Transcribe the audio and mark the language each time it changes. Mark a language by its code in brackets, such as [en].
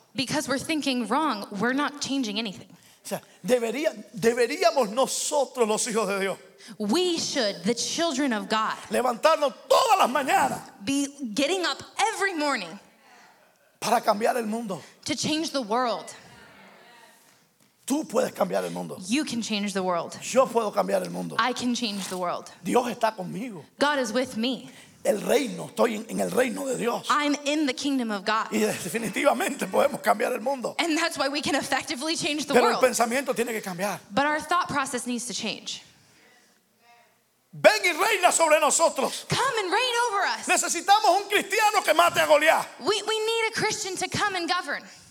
[en] Because we're thinking wrong, we're not changing anything. [es] O sea, deberíamos nosotros, los hijos de Dios, [en] we should, the children of God, [es] levantarnos todas las mañanas, [en] be getting up every morning [es] para cambiar el mundo. [en] To change the world. [es] Tú puedes cambiar el mundo. [en] You can change the world. [es] Yo puedo cambiar el mundo. [en] I can change the world. [es] Dios está conmigo. [en] God is with me. [es] El reino, estoy en el reino de Dios. [en] I'm in the kingdom of God. [es] Y definitivamente podemos cambiar el mundo. [en] And that's why we can effectively change the [es] Pero [en] world. [es] El pensamiento tiene que cambiar. [en] But our thought process needs to change. [es] Ven y reina sobre nosotros. [en] Come and reign over us. [es] Necesitamos un cristiano que mate a Goliat. [en] We need a Christian to come and govern.